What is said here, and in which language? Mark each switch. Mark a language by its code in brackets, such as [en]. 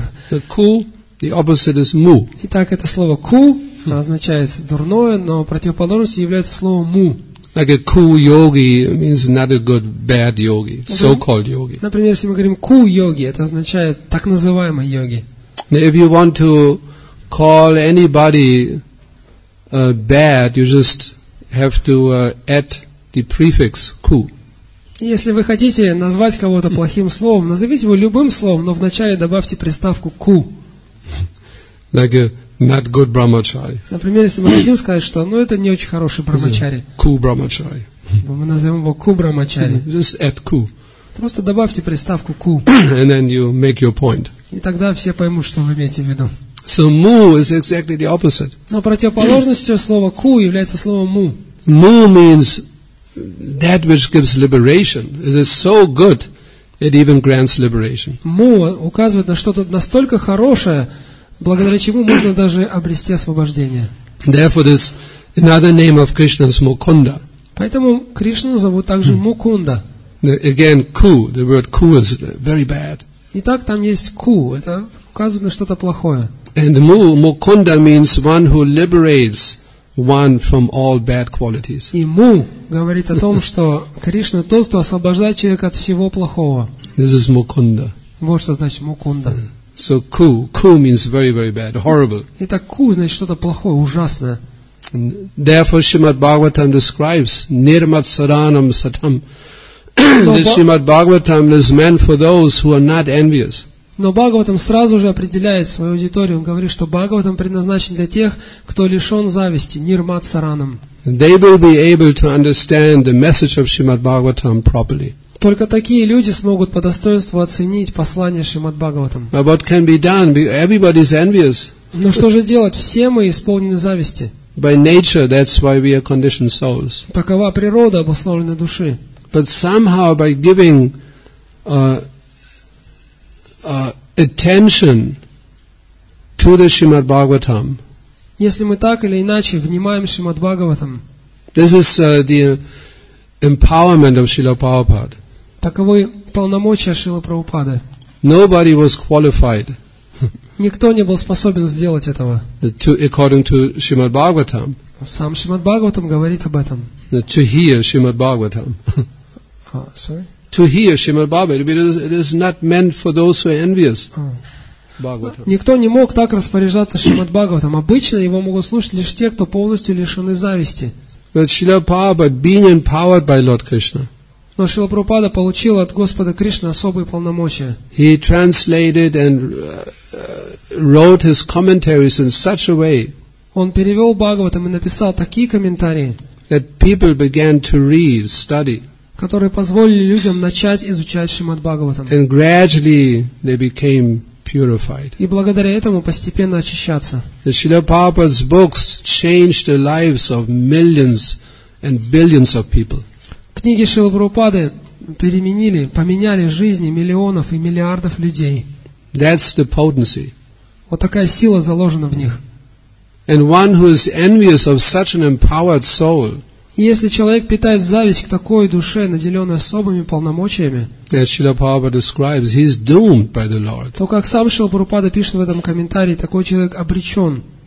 [en] The ku, the opposite is mu. [ru] Итак, это слово ku означает дурное, но противоположностью является слово mu. [en] Like a ku yogi means not a good bad yogi, so-called yogi. [ru] Например, если мы говорим ku yogi, это означает так называемый йоги. [en] Now, if you want to call anybody bad, you just have to add the prefix ku. [ru] Если вы хотите назвать кого-то плохим словом, назовите его любым словом, но вначале добавьте приставку ku. [en] Like a not good brahmachari. [ru] Например, если мы хотим сказать, что ну это не очень хороший брахмачари. [sa] Ku brahmachari. [ru] Мы назовем его ku brahmachari. [en] Just add ku. [ru] Просто добавьте приставку ku. [en] And then you make your point. [ru] И тогда все поймут, что вы имеете в виду. [en] So mu is exactly the opposite. [ru] Но противоположностью слова ku является слово mu. [en] Mu means that which gives liberation. It is so good, it even grants liberation. [ru] Му указывает на что-то настолько хорошее, благодаря чему можно даже обрести освобождение. [en] Therefore, this another name of Krishna is Mukunda. [ru] Поэтому Кришну зовут также Мукунда. [en] Again, ku. The word ku is very bad. [ru] Итак, там есть ku. Это указывает на что-то плохое. [en] And mu, Mukunda means one who liberates one from all bad qualities. [ru] И му говорит о том, что Кришна тот, кто освобождает человека от всего плохого. [en] This is Mukunda. [ru] Вот что значит Мукунда. [en] So ku, ku means very, very bad, horrible. [ru] Итак, ку значит что-то плохое, ужасное. [en] And therefore, Shrimad Bhagavatam describes [sa] nirmat saranam satam. [en] This Shrimad Bhagavatam is meant for those who are not envious. [ru] Но Бхагаватам сразу же определяет свою аудиторию. Он говорит, что Бхагаватам предназначен для тех, кто лишен зависти, нирмат сараном. [en] They will be able to understand the message of Shrimad Bhagavatam properly. [ru] Только такие люди смогут по достоинству оценить послание Шримад Бхагаватам. [en] But what can be done? Everybody's envious. [ru] Но что же делать? Все мы исполнены зависти. [en] By nature, that's why we are conditioned souls. [ru] Такова природа обусловленной души. [en] But somehow by giving attention to the Shrimad Bhagavatam. [ru] Если мы так или иначе внимаем Шримад Бхагаватам. [en] This is the empowerment of Srila Prabhupada. [ru] Таковы полномочия Шрилы Прабхупады. [en] Nobody was qualified. [ru] Никто не был способен сделать этого. [en] According to Srimad Bhagavatam. [ru] Сам Шримад Бхагаватам говорит об этом. [en] To hear Srimad Bhagavatam. Sorry? To hear Srimad Bhagavatam. It is not meant for those who are envious. [ru] Бхагаватам. Никто не мог так распоряжаться Шримад Бхагаватам. Обычно его могут слушать лишь те, кто полностью лишены зависти. [en] But Srila Prabhupada, being empowered by Lord Krishna. [ru] Но Шрила Прабхупада получил от Господа Кришны особые полномочия. [en] He translated and wrote his commentaries in such a way. [ru] Он перевел Бхагаватам и написал такие комментарии. [en] That people began to read, study. [ru] Которые позволили людям начать изучать Шримад Бхагаватам. [en] And gradually they became purified. [ru] И благодаря этому постепенно очищаться. [en] The Srila Prabhupada's books changed the lives of millions and billions of people. [ru] Книги Шрилы Прабхупады переменили, поменяли жизни миллионов и миллиардов людей. [en] That's the potency. [ru] Вот такая сила заложена в них. [en] And one who is envious of such an empowered soul. [ru] И если человек питает зависть к такой душе, наделенной особыми полномочиями, то, как сам Шрила Прабхупада пишет в этом комментарии, такой человек обречен.